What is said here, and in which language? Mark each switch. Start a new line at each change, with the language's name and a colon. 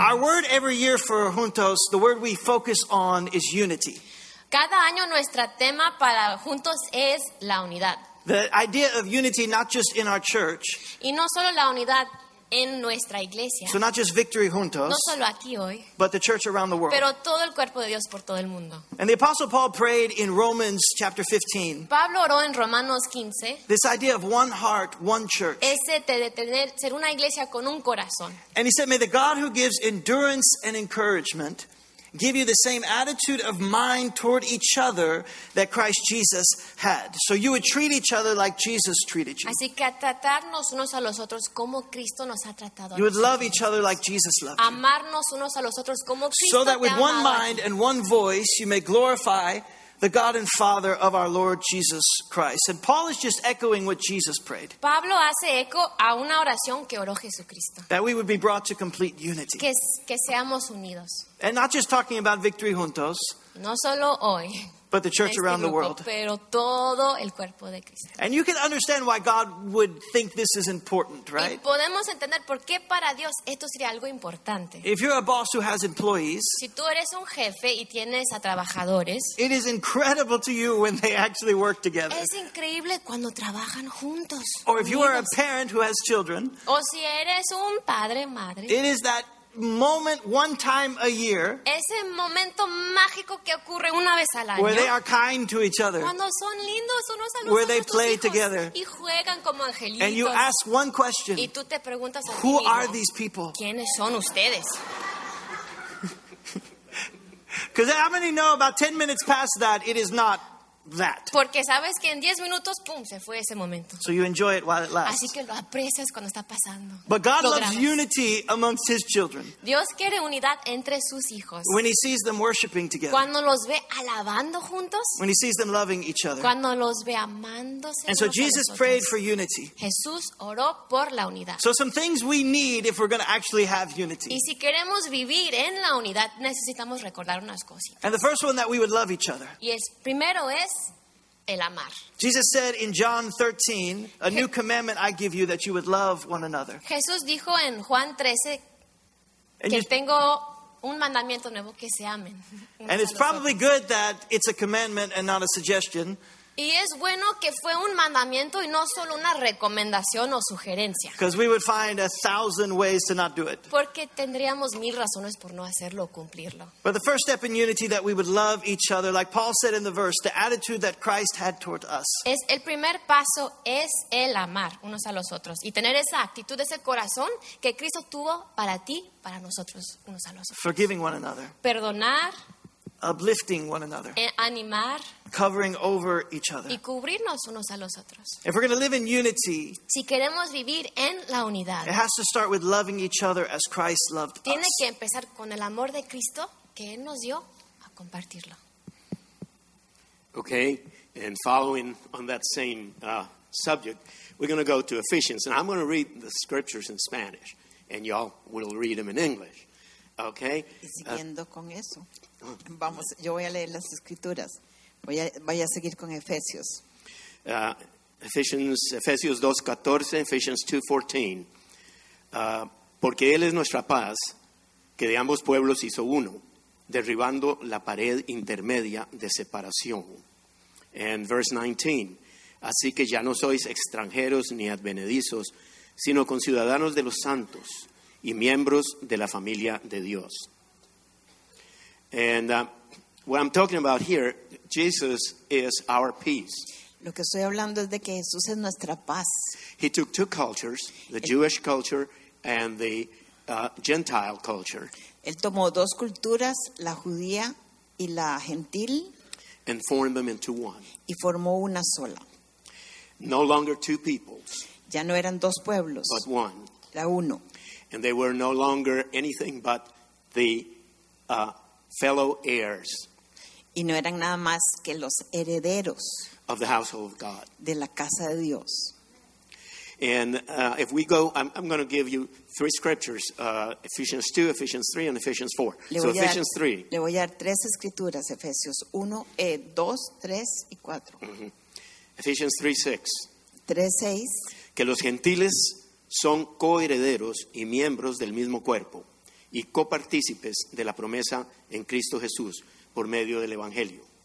English: Our word every year for Juntos, the word we focus on is unity.
Spanish: Cada año nuestro tema para Juntos es la unidad.
English: The idea of unity not just in our church.
Spanish: Y no solo la unidad en nuestra iglesia.
English: So not just Victory Juntos.
Spanish: No solo aquí hoy.
English: But the church around the world.
Spanish: Pero todo el cuerpo de Dios por todo el mundo.
English: And the Apostle Paul prayed in Romans chapter 15.
Spanish: Pablo oró en Romanos 15.
English: This idea of one heart, one church.
Spanish: Ese de tener, ser una iglesia con un corazón.
English: And he said, may the God who gives endurance and encouragement give you the same attitude of mind toward each other that Christ Jesus had. So you would treat each other like Jesus treated you.
Spanish: Así que a tratarnos unos a los otros como Cristo nos ha tratado.
English: You would love each other like Jesus loved
Spanish: you. Amarnos unos a los otros como Cristo.
English: So that with one mind and one voice you may glorify the God and Father of our Lord Jesus Christ. And Paul is just echoing what Jesus prayed.
Spanish: Pablo hace eco a una oración que oró Jesucristo.
English: That we would be brought to complete unity.
Spanish: Que seamos unidos.
English: And not just talking about Victory Juntos.
Spanish: No solo hoy.
English: But the church
Spanish: este
English: around
Spanish: grupo,
English: the world.
Spanish: Pero todo el cuerpo de Cristo.
English: And you can understand why God would think this is important, right?
Spanish: Y podemos entender por qué para Dios esto sería algo importante.
English: If you're a boss who has employees,
Spanish: si tú eres un jefe y tienes a trabajadores,
English: it is incredible to you when they actually work together.
Spanish: Es increíble cuando trabajan juntos.
English: Or if you are a parent who has children,
Spanish: o si eres un padre, madre,
English: it is that moment one time a year.
Spanish: Ese momento mágico que ocurre una vez al año.
English: Where they are kind to each other.
Spanish: Cuando son lindos unos a los
English: where they play together.
Spanish: Y juegan como angelitos.
English: And you ask one question.
Spanish: Y tú te preguntas a ti mismo,
English: who are these people?
Spanish: ¿Quiénes son ustedes?
English: Because how many know about 10 minutes past that it is not that.
Spanish: Porque sabes que en 10 minutos pum se fue ese momento.
English: So you enjoy it while it lasts.
Spanish: Así que lo aprecias cuando está pasando.
English: But God loves unity amongst his children.
Spanish: Dios quiere unidad entre sus hijos.
English: When he sees them worshiping together.
Spanish: Cuando los ve alabando juntos.
English: When he sees them loving each other.
Spanish: Cuando los ve amándose.
English: And so Jesus prayed for unity.
Spanish: Jesús oró por la unidad.
English: So some things we need if we're going to actually have unity.
Spanish: Y si queremos vivir en la unidad necesitamos recordar unas cosas.
English: And the first one that we would love each other.
Spanish: Y el primero es el amar.
English: Jesus said in John 13, a new commandment I give you that you would love one another.
Spanish: Jesús dijo en Juan 13 que tengo un mandamiento nuevo que se amen.
English: And it's probably good that it's a commandment and not a suggestion.
Spanish: Y es bueno que fue un mandamiento y no solo una recomendación o sugerencia.
English: Because we would find a thousand ways to not do it.
Spanish: Porque tendríamos mil razones por no hacerlo o cumplirlo.
English: But the first step in unity that we would love each other, like Paul said in the verse, the attitude that Christ had toward us.
Spanish: Es el primer paso es el amar unos a los otros y tener esa actitud, ese corazón que Cristo tuvo para ti, para nosotros unos a los otros.
English: Forgiving one another.
Spanish: Perdonar.
English: Uplifting one another.
Spanish: Animar.
English: Covering over each other.
Spanish: Y cubrirnos unos a los otros.
English: If we're going to live in unity.
Spanish: Si queremos vivir en la unidad.
English: It has to start with loving each other as Christ loved
Spanish: tiene
English: us.
Spanish: Tiene que empezar con el amor de Cristo que Él nos dio a compartirlo.
English: Okay. And following on that same subject, we're going to go to Ephesians. And I'm going to read the scriptures in Spanish. And y'all will read them in English. Okay.
Spanish: Y siguiendo con eso. Vamos, yo voy a leer las escrituras. Voy a seguir con Efesios. Efesios 2:14, Efesios 2:14. Porque Él es nuestra paz, que de ambos pueblos hizo uno, derribando la pared intermedia de separación.
English: And verse 19.
Spanish: Así que ya no sois extranjeros ni advenedizos, sino conciudadanos de los santos y miembros de la familia de Dios.
English: And what I'm talking about here, Jesus is our peace.
Spanish: Lo que estoy hablando es de que Jesús es nuestra paz.
English: He took two cultures, the Jewish culture and the Gentile culture.
Spanish: Él tomó dos culturas, la judía y la gentil.
English: And formed them into one.
Spanish: Y formó una sola.
English: No longer two peoples.
Spanish: Ya no eran dos pueblos.
English: But one.
Spanish: La uno.
English: And they were no longer anything but the fellow heirs.
Spanish: Y no eran nada más que los herederos
English: of the household of God.
Spanish: De la casa de Dios.
English: And if we go, I'm going to give you three scriptures, Ephesians 2, Ephesians 3, and Ephesians 4. So Ephesians 3.
Spanish: Le voy a dar tres escrituras, Efesios 1, 2, 3, y 4.
English: Ephesians 3, 6. 3, 6.
Spanish: Que los gentiles son coherederos y miembros del mismo cuerpo y copartícipes de la promesa en Cristo Jesús por medio del Evangelio.